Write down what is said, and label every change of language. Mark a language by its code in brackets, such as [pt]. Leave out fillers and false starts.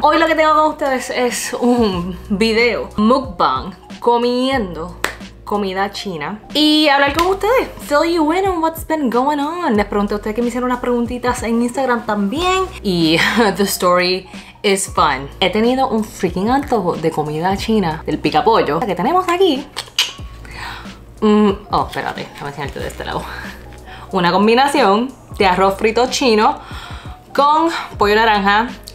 [es] Hoy lo que tengo con ustedes es un video mukbang comiendo comida china y hablar con ustedes. [en] Fill you in on what's been going on. [es] Les pregunté a ustedes que me hicieron unas preguntitas en Instagram también. Y [en] the story is fun. [es] He tenido un freaking antojo de comida china, del picapollo que tenemos aquí. Espérate, déjame enseñarte de este lado. Una combinación de arroz frito chino con pollo naranja.